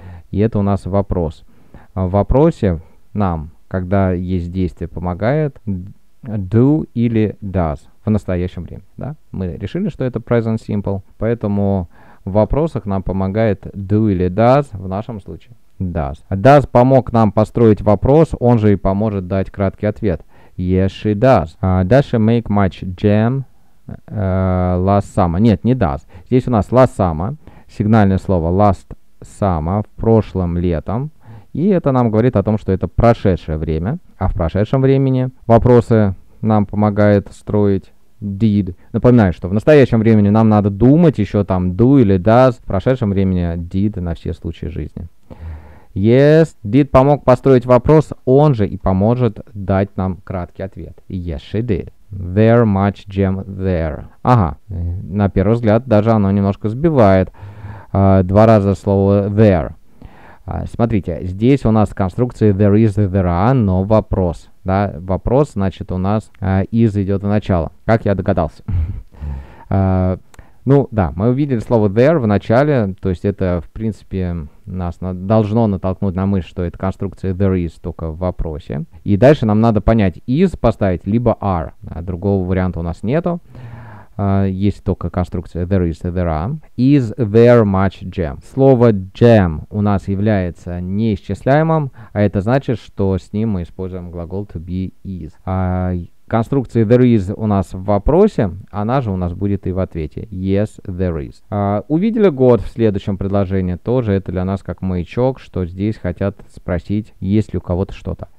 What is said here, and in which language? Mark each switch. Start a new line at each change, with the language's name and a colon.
Russian: И это у нас вопрос. В вопросе нам, когда есть действие, помогает do или does в настоящем времени. Да? Мы решили, что это present simple, поэтому в вопросах нам помогает do или does в нашем случае.
English: Does.
Russian: Does помог нам построить вопрос, он же и поможет дать краткий ответ.
English: Yes, she does. Does she make much jam last summer?
Russian: Нет, не does. Здесь у нас
English: last summer,
Russian: сигнальное слово last summer, в прошлом летом. И это нам говорит о том, что это прошедшее время. А в прошедшем времени вопросы нам помогают строить did. Напоминаю, что в настоящем времени нам надо думать еще там do или does. В прошедшем времени did на все случаи жизни. Yes, did помог построить вопрос, он же и поможет дать нам краткий ответ.
English: Yes, she did. There much jam there.
Russian: Ага, на первый взгляд даже оно немножко сбивает. Два раза слово there. Смотрите, здесь у нас конструкция
English: there is, there are,
Russian: но вопрос. Да? Вопрос, значит, у нас is идет в начало. Как я догадался? Ну, да, мы увидели слово there в начале, то есть это, в принципе, нас должно натолкнуть на мысль, что это конструкция
English: there is
Russian: только в вопросе. И дальше нам надо понять is поставить, либо are. Другого варианта у нас нету. Есть только конструкция
English: there is, there are. Is there much jam?
Russian: Слово jam у нас является неисчисляемым, а это значит, что с ним мы используем глагол
English: to be is.
Russian: Конструкция
English: there is
Russian: у нас в вопросе, она же у нас будет и в ответе.
English: Yes, there is.
Russian: Увидели год в следующем предложении, тоже это для нас как маячок, что здесь хотят спросить, есть ли у кого-то что-то.